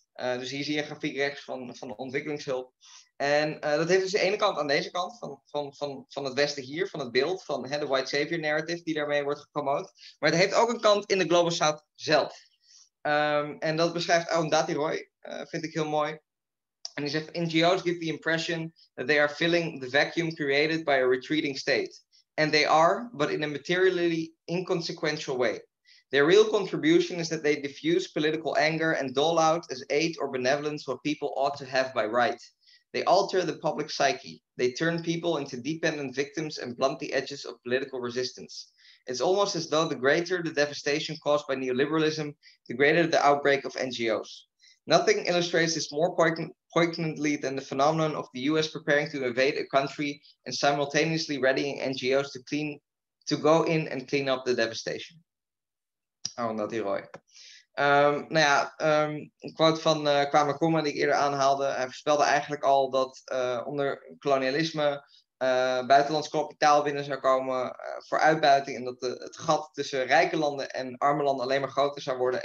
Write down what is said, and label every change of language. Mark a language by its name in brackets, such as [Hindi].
[Dutch] Dus hier zie je een grafiek rechts van de ontwikkelingshulp. En dat heeft dus de ene kant aan deze kant van het Westen hier, van het beeld, van de white savior narrative die daarmee wordt gepromoot. Maar het heeft ook een kant in de Global South zelf. En dat beschrijft Aundati Roy, vind ik heel mooi. [English] En die zegt, NGO's give the impression that they are filling the vacuum created by a retreating state. And they are, but in a materially inconsequential way. Their real contribution is that they diffuse political anger and dole out as aid or benevolence what people ought to have by right. They alter the public psyche. They turn people into dependent victims and blunt the edges of political resistance. It's almost as though the greater the devastation caused by neoliberalism, the greater the outbreak of NGOs. Nothing illustrates this more poignantly than the phenomenon of the US preparing to invade a country and simultaneously readying NGOs to go in and clean up the devastation. [Dutch] Oh, dat is Roy. Nou ja, een quote van Kwame Nkrumah die ik eerder aanhaalde. Hij voorspelde eigenlijk al dat onder kolonialisme buitenlands kapitaal binnen zou komen voor uitbuiting. En dat het gat tussen rijke landen en arme landen alleen maar groter zou worden.